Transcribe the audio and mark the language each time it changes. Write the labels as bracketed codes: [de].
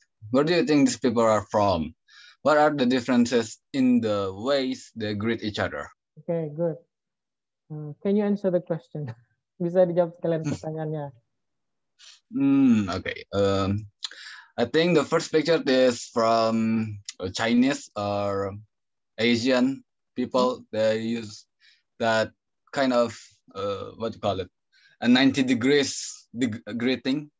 [en] Where do you think these people are from? What are the differences in the ways they greet each other? Okay, good. Can you answer the question? [id] Bisa dijawab sekalian pertanyaannya. [en] Okay. I think the first picture is from Chinese or Asian people. They use that kind of what you call it, a 90 degrees greeting.